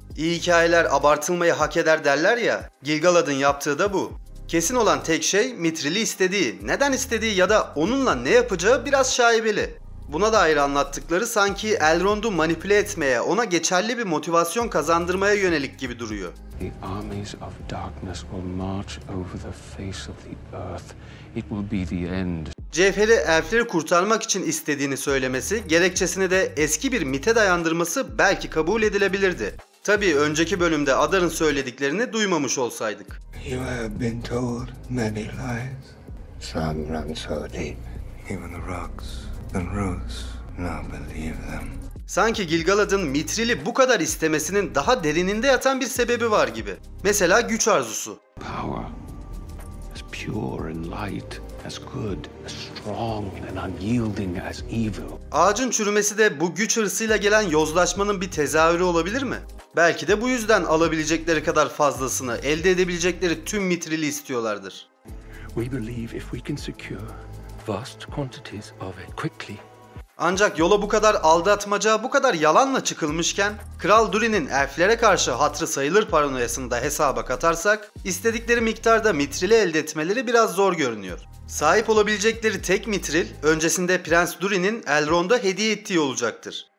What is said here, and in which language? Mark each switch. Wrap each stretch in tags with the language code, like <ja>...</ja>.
<tr>İyi hikayeler abartılmayı hak eder derler ya, Gil-galad'ın yaptığı da bu. Kesin olan tek şey Mithril'i istediği, neden istediği ya da onunla ne yapacağı biraz şaibeli. Buna dair anlattıkları sanki Elrond'u manipüle etmeye, ona geçerli bir motivasyon kazandırmaya yönelik gibi duruyor.</tr> <en>The armies of darkness will march over the face of the earth. It will be the end.</en> <tr>Cevheri elfleri kurtarmak için istediğini söylemesi, gerekçesini de eski bir mite dayandırması belki kabul edilebilirdi. Tabii önceki bölümde Adar'ın söylediklerini duymamış olsaydık.</tr> <en>You have been told many lies. Some run so deep, even the rocks. The roots now believe them.</en> <tr>Sanki Gil-galad'ın Mithril'i bu kadar istemesinin daha derininde yatan bir sebebi var gibi. Mesela güç arzusu.</tr> <en>Power as pure and light, as good, as strong and unyielding as evil.</en> <tr>Ağacın çürümesi de bu güç hırsıyla gelen yozlaşmanın bir tezahürü olabilir mi? Belki de bu yüzden alabilecekleri kadar fazlasını, elde edebilecekleri tüm Mithril'i istiyorlardır.</tr> <en>We believe if we can secure vast quantities of it quickly.</en> <tr>Ancak yola bu kadar aldatmaca, bu kadar yalanla çıkılmışken, Kral Durin'in elflere karşı hatırı sayılır paranoyasını da hesaba katarsak, istedikleri miktarda Mithril'i elde etmeleri biraz zor görünüyor. Sahip olabilecekleri tek Mithril, öncesinde Prens Durin'in Elrond'a hediye ettiği olacaktır.</tr>